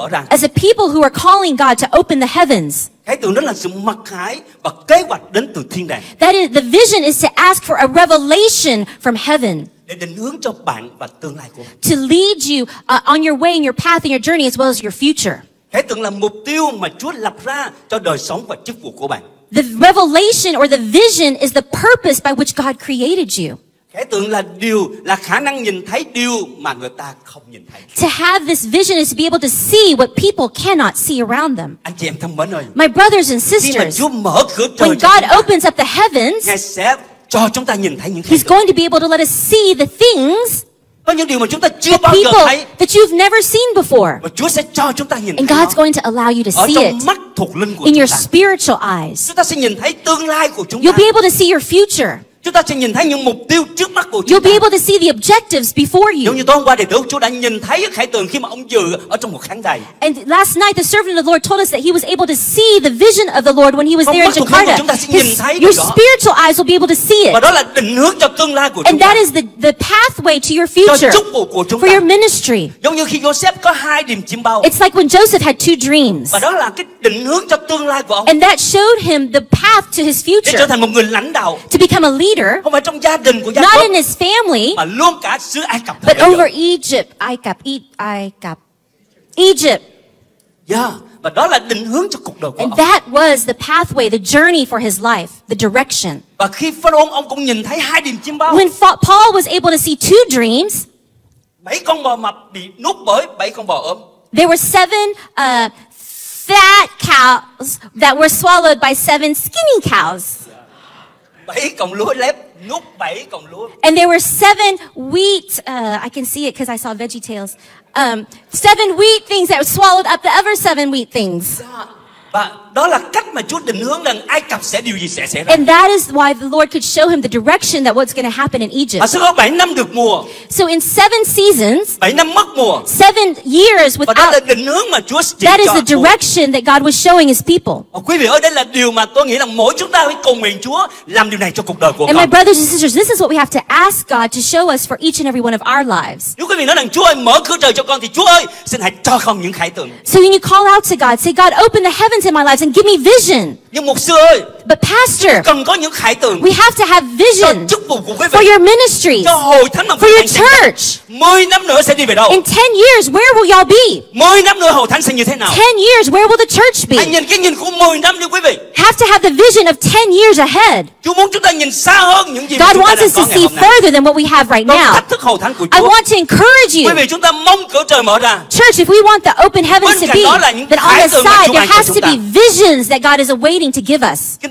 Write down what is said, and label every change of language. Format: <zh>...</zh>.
<en>As a people who are calling God to open the heavens.</en> <vi>Khái tượng đó là sự mặc khải và kế hoạch đến từ thiên đàng.</vi> <en>That is, the vision is to ask for a revelation from heaven.</en> <vi>Để định hướng cho bạn và tương lai của bạn.</vi> <en>To lead you on your way, in your path, in your journey, as well as your future.</en> <vi>Khái tượng là mục tiêu mà Chúa lập ra cho đời sống và chức vụ của bạn.</vi> <en>The revelation or the vision is the purpose by which God created you.</en> <vi>Khái tượng là điều, là khả năng nhìn thấy điều mà người ta không nhìn thấy.</vi> <en>To have this vision is to be able to see what people cannot see around them.</en> <vi>Anh chị em thân mến ơi.</vi> <en>My brothers and sisters.</en> <vi>Khi mà Chúa mở cửa trời</vi> <en>when God opens up the heavens.</en> <vi>Ngài sẽ cho chúng ta nhìn thấy những khái tượng.</vi> <en>He's going to be able to let us see the things.</en> <vi>Có những điều mà chúng ta chưa bao giờ thấy.</vi> <en>That you've never seen before.</en> <vi>Và Chúa sẽ cho chúng ta nhìn thấy.</vi> <en>And God's going to allow you to see it.</en> <vi>Ở trong mắt thuộc linh của chúng ta.</vi> <en>In your spiritual eyes.</en> <vi>Chúng ta sẽ nhìn thấy tương lai của chúng ta.</vi> <en>You'll be able to see your future.</en> <vi>chúng ta sẽ nhìn thấy những mục tiêu trước mắt của chúng</vi> <en>You'll</en> <vi>ta.</vi> <en>Be able to see the objectives before you.</en> <vi>Giống như tối hôm qua thì Đức Chúa đã nhìn thấy khải tượng khi mà ông dự ở trong một khán đài.</vi> <en>And last night the servant of the Lord told us that he was able to see the vision of the Lord when he was there in Jakarta. Your spiritual eyes will be able to see it.</en> <vi>Và đó là định hướng cho tương lai của chúng</vi> <en>And that is the pathway to your future.</en> <vi>Cho chức vụ của chúng</vi> <en>for your ministry.</en> <vi>Giống như khi Joseph có hai điềm chiêm bao.</vi> <en>It's like when Joseph had two dreams.</en> <vi>Và đó là cái định hướng cho tương lai của ông.</vi> <en>And that showed him the path to his future.</en> <vi>Để trở thành một người lãnh đạo.</vi> <en>To become a leader.</en> <vi>Không phải trong gia đình của</vi> <en>Not in his family,</en> <vi>mà luôn cả xứ Ai Cập.</vi> <en>But over Egypt, Ai Cập, Egypt.</en> <vi>Yeah, và đó là định hướng cho cuộc đời của</vi> <en>And that was the pathway, the journey for his life, the direction.</en> <vi>Và khi Phaolô ông cũng nhìn thấy hai điềm chiêm bao.</vi> <en>When Paul was able to see two dreams,</en> <vi>bảy con bò mập bị nuốt bởi bảy con bò ốm.</vi> <en>There were seven fat cows that were swallowed by seven skinny cows.</en> <vi>Bảy cọng lúa lép nuốt bảy cọng lúa.</vi> <en>And there were seven wheat. I can see it because I saw veggie tails. Seven wheat things that swallowed up the other seven wheat things.</en> <vi>Và đó là cách mà Chúa định hướng rằng Ai Cập sẽ điều gì sẽ xảy ra.</vi> <en>And that is why the Lord could show him the direction that what's going to happen in Egypt.</en> <vi>Và sau đó 7 năm được mùa.</vi> <en>So in seven seasons.</en> <vi>7 năm mất mùa.</vi> <en>7 years without.</en> <vi>Và đó là định hướng mà Chúa chỉ cho.</vi> <en>That is the direction that God was showing his people.</en> <vi>Quý vị ơi, đây là điều mà tôi nghĩ là mỗi chúng ta phải cầu nguyện Chúa làm điều này cho cuộc đời của mình.</vi> <en>And my brothers and sisters, this is what we have to ask God to show us for each and every one of our lives.</en> <vi>Nếu quý vị nói rằng Chúa ơi, mở cửa trời cho con thì Chúa ơi, xin hãy cho con những khải tượng.</vi> <en>So when you call out to God, say, God, open the heavens in my life. And give me vision.</en> <vi>Nhưng mục sư ơi,</vi> <en>But pastor,</en> <vi>cần có những khải tượng.</vi> <en>We have to have vision</en> <vi>cho chức vụ của quý vị,</vi> <en>for your ministries,</en> <vi>cho hội thánh mà</vi> <en>for your church.</en> <vi>10 năm nữa sẽ đi về đâu?</vi> <en>In 10 years, where will y'all be?</en> <vi>10 năm nữa hội thánh sẽ như thế nào?</vi> <en>10 years, where will the church be?</en> <vi>Hãy nhìn cái nhìn của 10 năm đi quý vị.</vi> <en>Have to have the vision of 10 years ahead.</en> <vi>Chúa muốn chúng ta nhìn xa hơn những gì</vi> <en>God</en> <vi>mà chúng ta</vi> <en>wants us to see further than what we have right now.</en> <vi>Thách thức hội thánh của Chúa.</vi> <en>I want to encourage you.</en> <vi>Quý vị, chúng ta mong cửa trời mở ra.</vi> <en>Church, if we want the open heavens to be, then on the side there has to be visions that God is awaiting to give us.</en>